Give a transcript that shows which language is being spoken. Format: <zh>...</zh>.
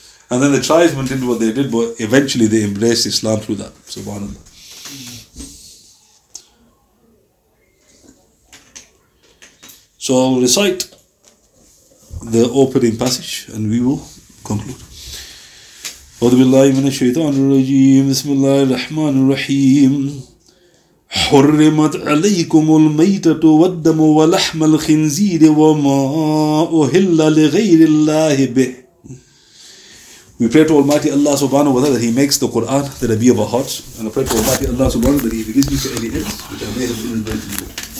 <en>And then the tribesmen did what they did, but eventually they embraced Islam through that. Subhanallah. So I'll recite the opening passage and we will conclude.</en> <ar>أعوذ بالله من الشيطان الرجيم بسم الله الرحمن الرحيم حرمت عليكم الميتة والدم ولحم الخنزير وما أهل لغير الله به.</ar> <en>We pray to Almighty Allah subhanahu wa ta'ala that He makes the Quran the Rabi of our hearts, and I pray to Almighty Allah subhanahu wa ta'ala that He forgives me for any ills which I may have inadvertently done.</en>